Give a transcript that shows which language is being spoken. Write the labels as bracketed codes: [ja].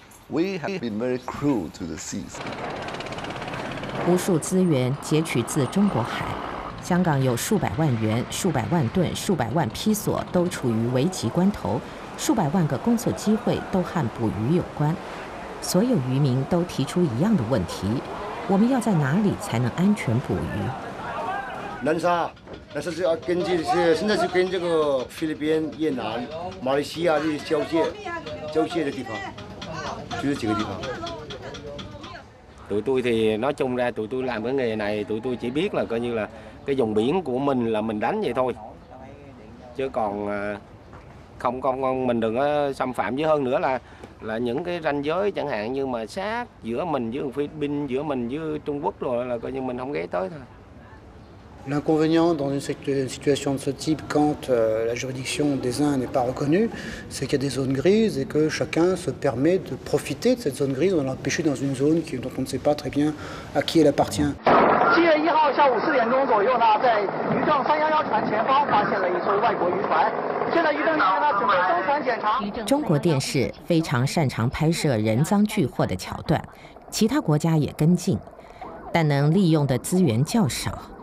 [en] We have been very cruel to the seas. [zh] 无数资源截取自中国海，香港有数百万元、数百万吨、数百万批索都处于危急关头，数百万个工作机会都和捕鱼有关。所有渔民都提出一样的问题：我们要在哪里才能安全捕鱼？南沙，南沙是要根据是现在是跟这个菲律宾、越南、马来西亚这些交界的地方。就是几个地方。 [vi] tụi tôi thì nói chung ra tụi tôi làm cái nghề này tụi tôi chỉ biết là coi như là cái vùng biển của mình là mình đánh vậy thôi chứ còn không con mình đừng có xâm phạm với hơn nữa là những cái ranh giới chẳng hạn như mà sát giữa mình với Philippines giữa mình với Trung Quốc rồi là coi như mình không ghé tới thôi. [fr] L'inconvénient dans une situation de ce type quand la juridiction des uns n'est pas reconnue, c'est qu'il y a des zones grises et que chacun se permet de profiter de cette zone grise en allant pêcher dans une zone dont on ne sait pas très bien à qui elle appartient. [zh] 7月1号下午4点钟左右呢，在渔政311船前方发现了一艘外国渔船。现在渔政人员呢准备登船检查。中国电视非常擅长拍摄人赃俱获的桥段，其他国家也跟进，但能利用的资源较少。